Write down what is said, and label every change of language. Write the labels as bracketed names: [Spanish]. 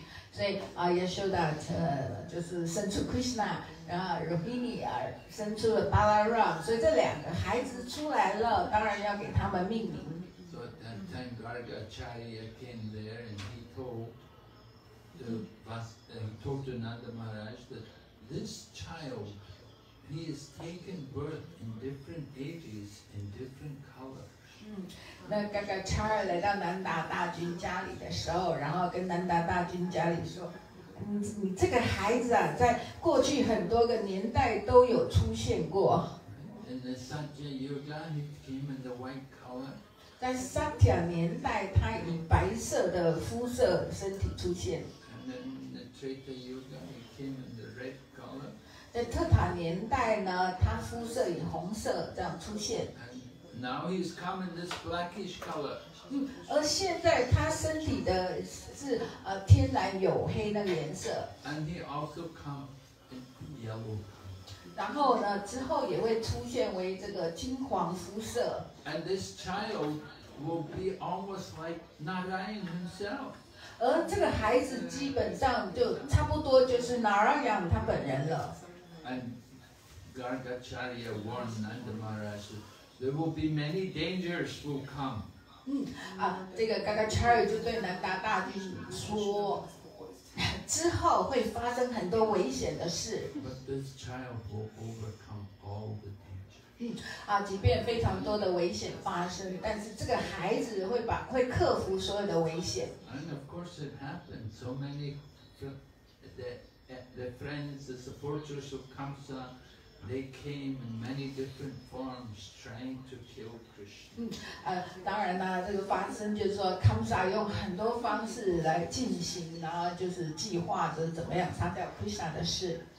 [Chinese] 所以啊 ，Yashoda 就是生出 Krishna， 然后 Rohini 生出了 Balaram， 所以这两个孩子出来了，当然要给他们命名。 [English] So at that time, Gargacharya came there and he told to Nanda Maharaj that this child, he has taken birth in different ages in different colors. [Chinese] 那刚刚查尔来到南达大君家里的时候，然后跟南达大君家里说，你这个孩子啊，在过去很多个年代都有出现过。 [English] In the Satya Yuga, he came in the white color. [Chinese] 在 Satya 年代，他以白色的肤色身体出现。 [English] And then the Treta Yuga, he came in the red color. [Chinese] 在特塔年代呢，他肤色以红色这样出现。 [English] And now he's come in this blackish color. [Chinese] 而现在他身体的是天然黝黑那个颜色。 [English] And he also come in yellow. [Chinese] 然后呢，之后也会出现为这个金黄肤色。 [English] And this child will be almost like Narayan himself. [Chinese] 而这个孩子基本上就差不多就是 Narayan 他本人了。 [English] And Gargacharya warned Nanda Maharaj, there will be many dangers will come. [Chinese] 这个 Gargacharya 就对南达大君说。之后会发生很多危险的事。 [English] But this child will overcome all the danger. [Chinese] 即便非常多的危险发生，但是这个孩子会克服所有的危险。 [English] And of course it happened. So many the friends, the supporters of Kamsa, they came in many different forms trying to kill Krishna. [Chinese] 当然啦，这个发生就是说 Kamsa 用很多方式来进行，然后就是计划着怎么样杀掉 Krishna 的事。